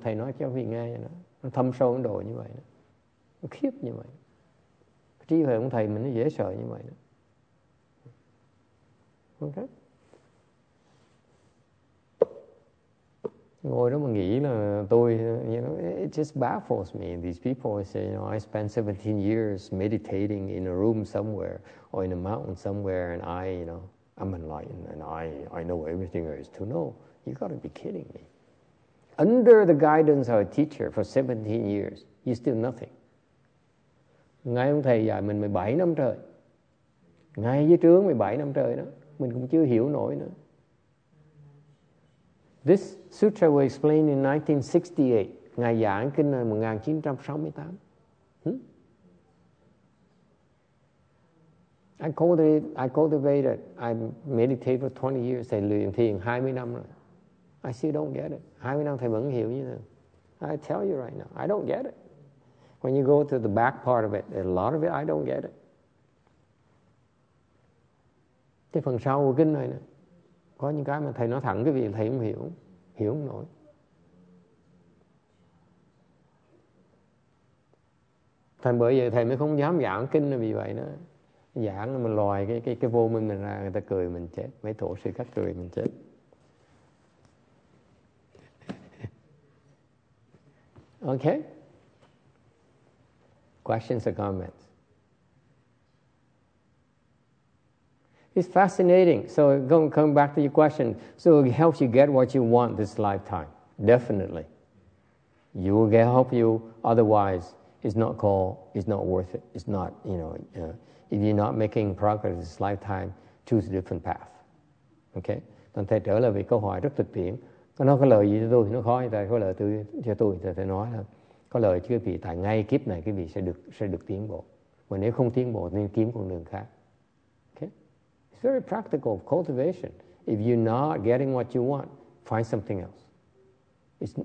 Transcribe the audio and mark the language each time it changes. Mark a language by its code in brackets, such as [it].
[vi] Thầy nói cho vị nghe vậy đó. Nó thâm sâu Ấn Độ như vậy đó. Nó khiếp như vậy. Trí huệ của thầy mình nó dễ sợ như vậy đó. [en] Ok? [vi] Ngồi đó mà nghĩ là tôi, [en] you know, it just baffles me. These people say, you know, I spent 17 years meditating in a room somewhere or in a mountain somewhere, and I, you know, I'm enlightened, and I know everything there is to know. You got to be kidding me. Under the guidance of a teacher for 17 years, you still nothing. [vi] Ngay ông thầy dạy mình 17 năm trời. Ngay dưới trướng 17 năm trời đó. Mình cũng chưa hiểu nổi nữa. [en] This sutra was explained in 1968. [vi] Ngài giảng kinh này 1968. [en] I cultivated, I meditated for 20 years, [vi] thầy luyện thiền 20 năm rồi. [en] I still don't get it. [vi] 20 năm thầy vẫn hiểu như thế. [en] I tell you right now, I don't get it. When you go to the back part of it, a lot of it, I don't get it. [vi] Cái phần sau của kinh này nè, có những cái mà thầy nói thẳng cái việc thầy không hiểu. Hiểu không nổi. Thành bởi vậy thầy mới không dám giảng kinh là vì vậy nữa. Giảng là mình lòi cái vô minh mình ra, người ta cười mình chết. Mấy tổ sư khác cười mình chết. Ok. [en] Questions or comments? It's fascinating. So come back to your question. So it helps you get what you want this lifetime. Definitely. You will get help you. Otherwise, it's not called, it's not worth it. It's not, you know, if you're not making progress this lifetime, choose a different path. Okay? [vi] Còn thầy trở lại với câu hỏi rất thực tiễn. Nó có lợi gì cho tôi? Nó khó như thầy có lợi cho tôi. Thầy nói là có lợi chứ, vì tại ngay kiếp này cái vị sẽ được tiến bộ. Mà nếu không tiến bộ thì nên kiếm con đường khác. [en] It's very practical cultivation. If you're not getting what you want, find something else.